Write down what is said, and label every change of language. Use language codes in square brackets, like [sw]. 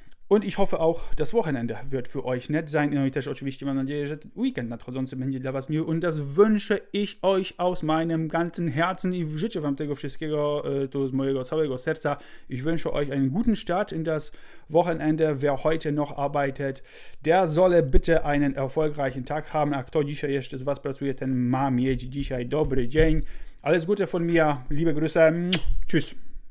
[de] Und ich hoffe auch, das Wochenende wird für euch nett sein. [pl] No i też oczywiście mam nadzieję, że ten weekend nadchodzący będzie dla was miły. Und das wünsche ich euch aus meinem ganzen Herzen i życzę wam tego wszystkiego tu z mojego całego serca. [de] Ich wünsche euch einen guten Start in das Wochenende. Wer heute noch arbeitet, der solle bitte einen erfolgreichen Tag haben. [pl] A kto dzisiaj jeszcze z was pracuje, ten ma mieć dzisiaj dobry dzień. Alles Gute von mir, liebe Grüße, tschüss.